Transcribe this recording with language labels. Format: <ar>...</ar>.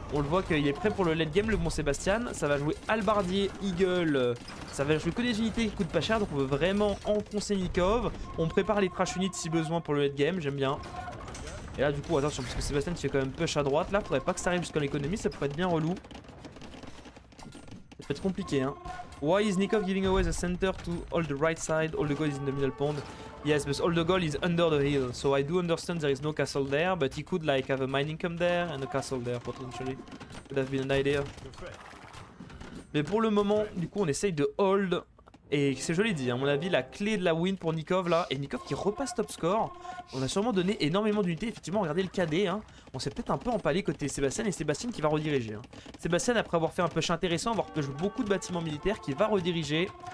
<fr>On le voit qu'il est prêt pour le late game le bon Sébastien, ça va jouer Halbardier, Eagle, ça va jouer que des unités qui coûtent pas cher, donc on veut vraiment enfoncer Nikov, on prépare les trash units si besoin pour le late game, j'aime bien. Et là du coup attention parce que Sébastien se fait quand même push à droite, là faudrait pas que ça arrive jusqu'à l'économie, ça pourrait être bien relou. Ça peut être compliqué hein.</fr> <en>Why is Nikov giving away the center to all the right side, all the gold is in the middle pond? Yes, but all the gold is under the hill, so I do understand there is no castle there, but he could like have a mining camp there and a castle there potentially. Could have been an idea.</en> <fr>Mais pour le moment, du coup, on essaye de hold. Et c'est joli dit, à mon avis, la clé de la win pour Nikov là. Et Nikov qui repasse top score. On a sûrement donné énormément d'unités. Effectivement, regardez le KD. Hein. On s'est peut-être un peu empalé côté Sébastien. Et Sébastien qui va rediriger. Hein. Sébastien, après avoir fait un push intéressant, avoir push beaucoup de bâtiments militaires, qui va rediriger.</fr>